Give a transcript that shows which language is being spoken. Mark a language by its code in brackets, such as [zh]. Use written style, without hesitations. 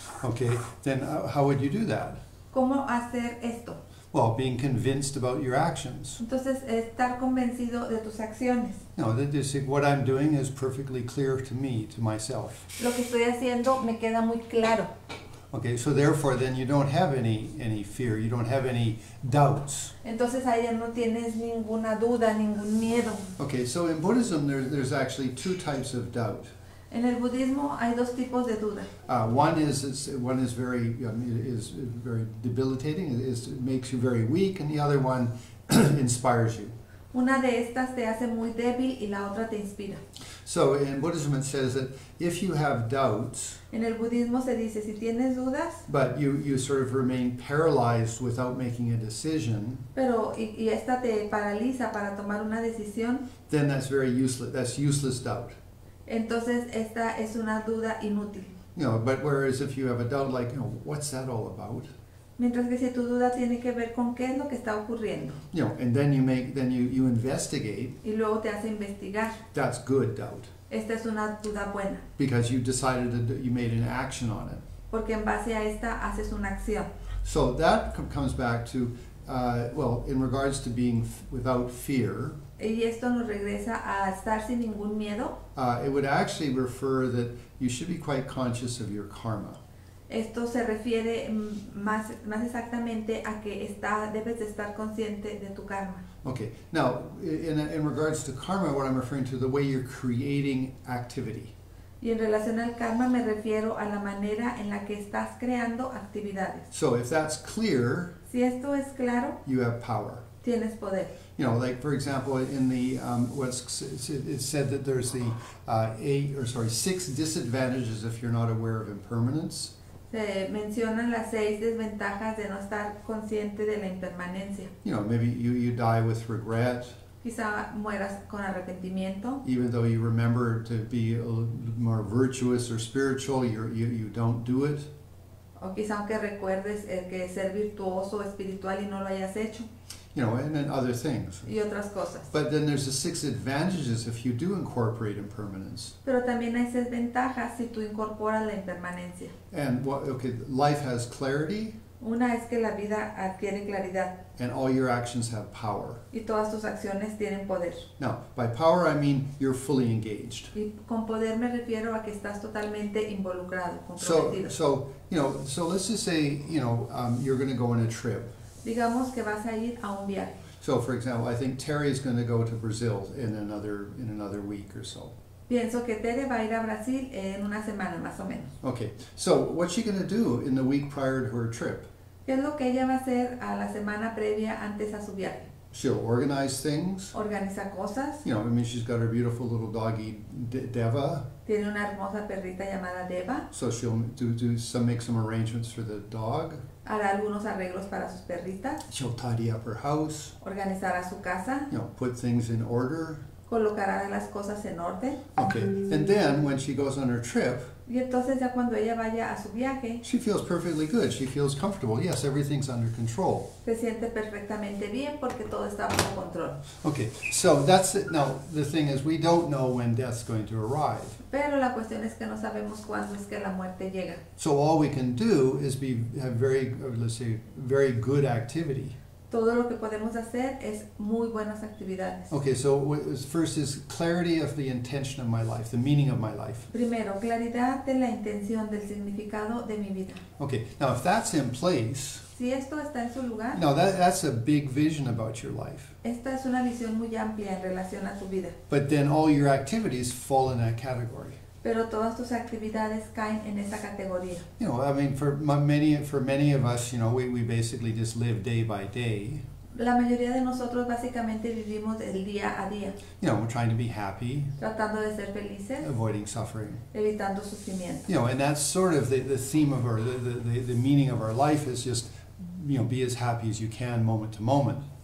[en] Okay, then how would you do that? [es] ¿Cómo hacer esto? [en] Well, being convinced about your actions. [es] Entonces, estar convencido de tus acciones. [en] No, what I'm doing is perfectly clear to me, to myself. [es] Lo que estoy haciendo me queda muy claro. [en] Okay, so therefore then you don't have any fear, you don't have any doubts. [es] Entonces ahí no tienes ninguna duda, ningún miedo. [en] Okay, so in Buddhism there's actually two types of doubt. [es] En el budismo hay dos tipos de duda. [en] One is very debilitating. It makes you very weak, and the other one inspires you. [es] Una de estas te hace muy débil y la otra te inspira. [en] So in Buddhism it says that if you have doubts, [es] en el budismo se dice, si tienes dudas, [en] but you sort of remain paralyzed without making a decision, [es] pero y esta te paraliza para tomar una decisión, [en] then that's very useless, that's useless doubt. [es] Entonces esta es una duda inútil. [en] You know, but whereas if you have a doubt like, you know, what's that all about? [es] Mientras que si tu duda tiene que ver con qué es lo que está ocurriendo. [en] You know, and then you make, then you investigate. [es] Y luego te hace investigar. [en] That's good doubt. [es] Esta es una duda buena. [en] Because you decided that you made an action on it. [es] Porque en base a esta haces una acción. [en] So that comes back to, well, in regards to being without fear. [es] Y esto nos regresa a estar sin ningún miedo. [en] It would actually refer that you should be quite conscious of your karma. [es] Esto se refiere más exactamente a que debes de estar consciente de tu karma. [en] Okay. Now, in regards to karma, what I'm referring to, the way you're creating activity. [es] Y en relación al karma me refiero a la manera en la que estás creando actividades. [en] So if that's clear, [es] si esto es claro, [en] you have power. [es] Tienes poder. [en] You know, like for example, in the it's said that there's the six disadvantages if you're not aware of impermanence. [es] Se mencionan las seis desventajas de no estar consciente de la impermanencia. [en] You know, maybe you die with regret. [es] Quizá mueras con arrepentimiento. [en] Even though you remember to be a little more virtuous or spiritual, you don't do it. [es] O quizá aunque recuerdes que ser virtuoso o espiritual y no lo hayas hecho. [en] You know, and then other things. [es] Y otras cosas. [en] But then there's the six advantages if you do incorporate impermanence. [es] Pero también hay seis ventajas si tú incorporas la impermanencia. [en] And what, okay, life has clarity. [es] Una es que la vida adquiere claridad. [en] And all your actions have power. [es] Y todas tus acciones tienen poder. [en] Now, by power I mean you're fully engaged. [es] Y con poder me refiero a que estás totalmente involucrado, comprometido. [en] So let's just say, you know, you're going to go on a trip. [es] Digamos que vas a ir a un viaje. [en] So, for example, I think Terry is going to go to Brazil in another week or so. [es] Pienso que Terry va a ir a Brasil en una semana más o menos. [en] Okay. So, what's she going to do in the week prior to her trip? [es] ¿Qué es lo que ella va a hacer a la semana previa antes a su viaje? [en] She'll organize things. [es] Organiza cosas. [en] You know, I mean, she's got her beautiful little doggy Deva. [es] Tiene una hermosa perrita llamada Deva. [en] So she'll make some arrangements for the dog. [es] Hará algunos arreglos para sus perritas. [en] She'll tidy up her house. [es] Organizará su casa. [en] You know, put things in order. [es] Colocará las cosas en orden. [en] Okay, and then when she goes on her trip, [es] y entonces ya cuando ella vaya a su viaje, [en] she feels perfectly good. She feels comfortable. Yes, everything's under control. [es] Se siente perfectamente bien porque todo está bajo control. [en] Okay, so that's it. Now, the thing is, we don't know when death's going to arrive. [es] Pero la cuestión es que no sabemos cuándo es que la muerte llega. [en] So all we can do is have very good activity. [es] Todo lo que podemos hacer es muy buenas actividades. [en] Okay, so first is clarity of the intention of my life, the meaning of my life. [es] Primero, claridad de la intención, del significado de mi vida. [en] Okay, now if that's in place, [es] si esto está en su lugar, [en] now that's a big vision about your life. [es] Esta es una visión muy amplia en relación a tu vida. [en] But then all your activities fall in that category. [es] Pero todas tus actividades caen en esa categoría. [en] You know, I mean, for many of us, you know, we basically just live day by day. [es] La mayoría de nosotros básicamente vivimos el día a día. [en] You know, we're trying to be happy. [es] Tratando de ser felices. [en] Avoiding suffering. [es] Evitando sufrimiento. [en] You know, and that's sort of the theme of our, the meaning of our life is just, you know, be as happy as you can moment to moment.